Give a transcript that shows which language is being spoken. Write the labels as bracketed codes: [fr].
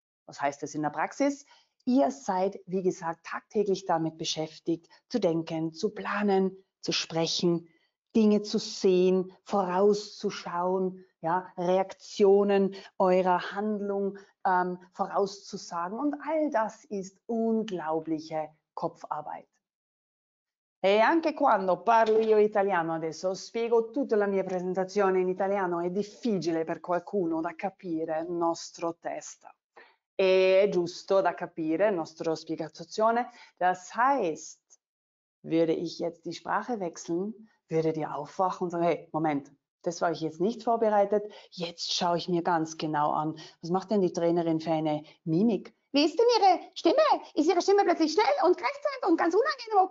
[de] Was heißt das in der Praxis? Ihr seid, wie gesagt, tagtäglich damit beschäftigt, zu denken, zu planen, zu sprechen, Dinge zu sehen, vorauszuschauen, ja, Reaktionen eurer Handlung vorauszusagen. Und all das ist unglaubliche Kopfarbeit. [it] E anche quando parlo io italiano adesso, spiego tutta la mia presentazione in italiano, è difficile per qualcuno da capire il nostro test. È giusto da capire la nostra spiegazione. [de] Das heißt, würde ich jetzt die Sprache wechseln, würdet ihr aufwachen und sagen, hey, Moment, das war ich jetzt nicht vorbereitet, jetzt schaue ich mir ganz genau an, was macht denn die Trainerin für eine Mimik? Wie ist denn Ihre Stimme? Ist Ihre Stimme plötzlich schnell und kräftig und ganz unangenehm?